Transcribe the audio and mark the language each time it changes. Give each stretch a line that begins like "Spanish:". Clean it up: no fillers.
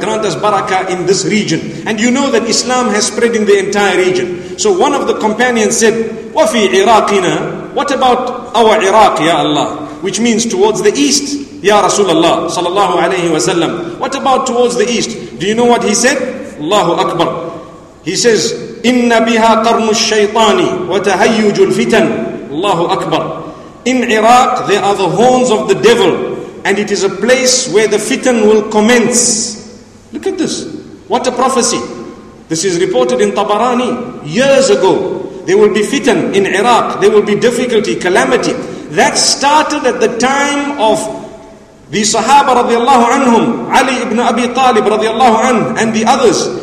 English: Grant us barakah in this region. And you know that Islam has spread in the entire region. So one of the companions said,
Arabic: وَفِي عِرَاقِنَا.
English: What about our Iraq, Ya Allah? Which means towards the east, Ya Rasulullah sallallahu alayhi wa sallam. What about towards the east? Do you know what he said? Allahu Akbar. He says,
Arabic: إِنَّ بِهَا قَرْمُ الشَّيْطَانِ وَتَهَيُّجُ الْفِتَنِ.
English: Allahu Akbar. In Iraq, there are the horns of the devil, and it is a place where the fitan will commence. Look at this. What a prophecy. This is reported in Tabarani years ago. There will be fitan in Iraq. There will be difficulty, calamity. That started at the time of the Sahaba radiallahu anhum, Ali ibn Abi Talib radiallahu anhu, and the others.